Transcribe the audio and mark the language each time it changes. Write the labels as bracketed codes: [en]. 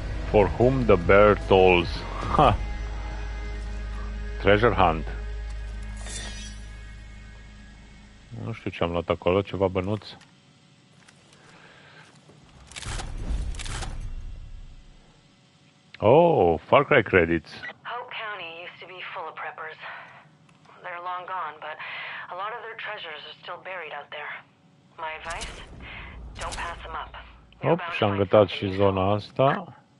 [en] For whom the bear tolls. Treasure hunt. [ro] Nu știu ce am luat acolo, ceva bănuț. [en] Oh, Far Cry credits. Hope County used to be full of preppers. They're long gone, but a lot of their treasures are still buried out there. My advice? Don't pass them up. [ro] Op, și-am gătat și zona asta.